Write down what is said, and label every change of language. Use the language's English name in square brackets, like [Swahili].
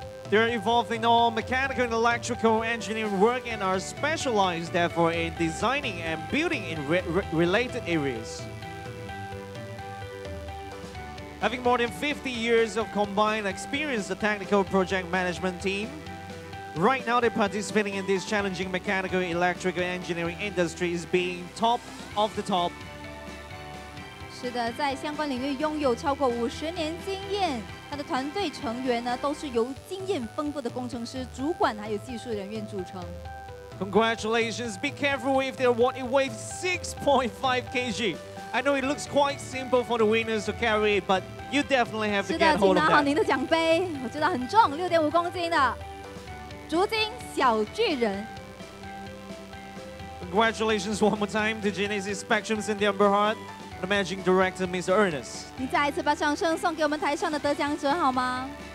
[English] They are involved in all mechanical and electrical engineering work and are specialized, therefore, in designing and building in related areas. Having more than 50 years of combined experience, the technical project management team, right now they're participating in this challenging mechanical and electrical engineering industry is being top of the top. [Chinese] 是的，在相关领域拥有超过50年经验。他的团队成员呢，都是由经验丰富的工程师、主管还有技术人员组成。 [English] Congratulations! Be careful if they're what it weighs 6.5 kg. I know it looks quite simple for the winners to carry, but you definitely have to get hold of that. [Chinese] 是的，请拿好您的奖杯。我知道很重，6.5 公斤的竹筋小巨人。 [English] Congratulations one more time to Genesis Spectrum and the Amber Heart. The Managing Director, Mr. Ernest. [Chinese] 你再一次把掌声送给我们台上的得奖者好吗？